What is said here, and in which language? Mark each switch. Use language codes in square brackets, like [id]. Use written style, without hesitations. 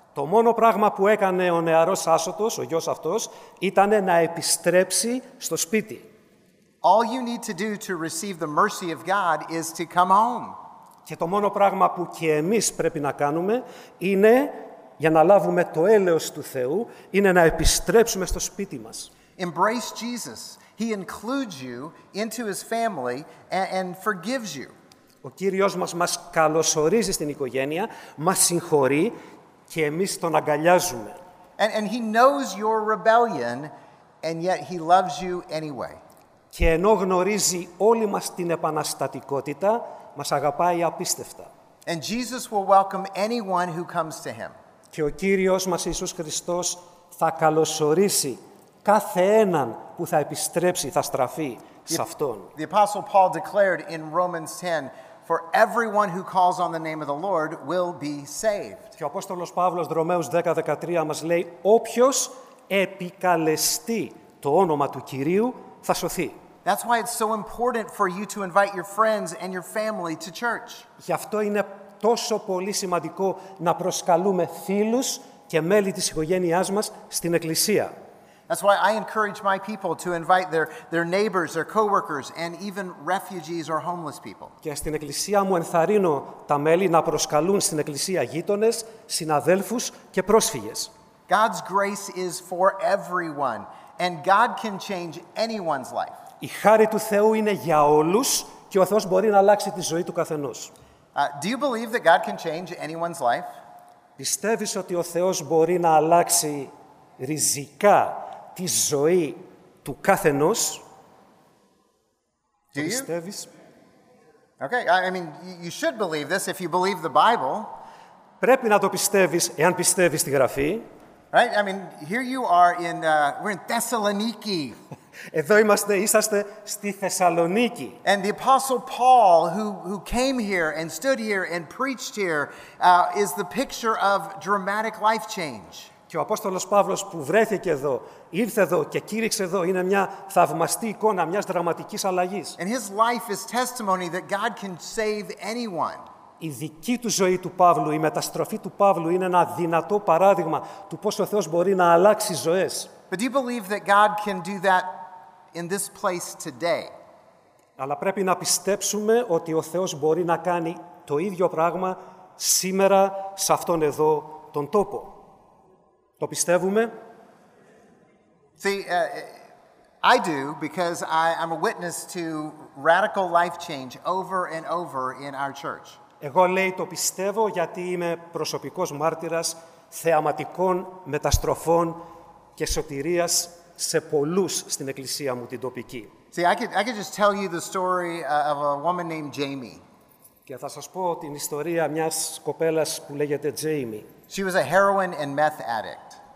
[el] Το μόνο πράγμα που έκανε ο νεαρός άσωτος, ο γιος αυτός, ήταν να επιστρέψει στο σπίτι. [en] All you need to do to receive the mercy of God is to come home. [el] Και το μόνο πράγμα που και εμείς πρέπει να κάνουμε είναι, για να λάβουμε το έλεος του Θεού, είναι να επιστρέψουμε στο σπίτι μας. [en] Embrace Jesus. He includes you into his family and forgives you. [el] Ο Κύριος μας καλωσορίζει στην οικογένεια, μας συγχωρεί και εμείς τον αγκαλιάζουμε. [en] And he knows your rebellion and yet he loves you anyway. [el] Και ενώ γνωρίζει όλη μας την επαναστατικότητα, μας αγαπάει απίστευτα. [en] And Jesus will welcome anyone who comes to him. [el] Και ο Κύριος μας Ιησούς Χριστός θα καλωσορίσει κάθε έναν που θα επιστρέψει, θα στραφεί σε αυτόν. [en] The Apostle Paul declared in Romans 10, for everyone who calls on the name of the Lord will be saved. [el] Και ο Απόστολος Παύλος, Ρωμαίους 10:13, μας λέει, όποιος επικαλεστεί το όνομα του Κυρίου θα σωθεί. [en] That's why it's so important for you to invite your friends and your family to church. [el] Γι' αυτό είναι τόσο πολύ σημαντικό να προσκαλούμε φίλους και μέλη της οικογένειάς μας στην εκκλησία. [en] That's why I encourage my people to invite their neighbors, their coworkers, and even refugees or homeless people. [el] Και στην εκκλησία μου ενθαρρύνω τα μέλη να προσκαλούν στην εκκλησία γείτονες, συναδέλφους και πρόσφυγες. [en] God's grace is for everyone, and God can change anyone's life. [el] Η χάρη του Θεού είναι για όλους και ο Θεός μπορεί να αλλάξει τη ζωή του καθενός. [en] Do you believe that God can change anyone's life? [el] Πιστεύεις ότι ο Θεός μπορεί να αλλάξει ριζικά τη ζωή του καθενός? [en] Do you? [el] Πιστεύεις? [en] Okay, I mean, you should believe this if you believe the Bible. [el] Πρέπει να το πιστεύεις εάν πιστεύεις τη Γραφή. [en] Right, I mean, here you are in, we're in Thessaloniki. [el] Εδώ είμαστε, είσαστε στη Θεσσαλονίκη. [en] And the Apostle Paul, who came here and stood here and preached here, is the picture of dramatic life change. [el] Και ο Απόστολος Παύλος που βρέθηκε εδώ, ήρθε εδώ και κήρυξε εδώ, είναι μια θαυμαστή εικόνα μιας δραματικής αλλαγής. [en] And his life is testimony that God can save anyone. [el] Η δική του ζωή του Παύλου, η μεταστροφή του Παύλου είναι ένα δυνατό παράδειγμα του πώς ο Θεός μπορεί να αλλάξει ζωές. [en] But do you believe that God can do that in this place today? [el] Αλλά πρέπει να πιστέψουμε ότι ο Θεός μπορεί να κάνει το ίδιο πράγμα σήμερα σε αυτόν εδώ τον τόπο. Το πιστεύουμε. [en] See, I do because I'm a witness to radical life change over and over in our church. [el] Εγώ λέει το πιστεύω γιατί είμαι προσωπικός μάρτυρας θεαματικών μεταστροφών και σωτηρίας σε πολλούς στην εκκλησία μου την τοπική. [en] See, I could just tell you the story of a woman named Jamie. [el] Και θα σας πω την ιστορία μιας κοπέλας που λέγεται Jamie. [en] She was a heroin and meth addict.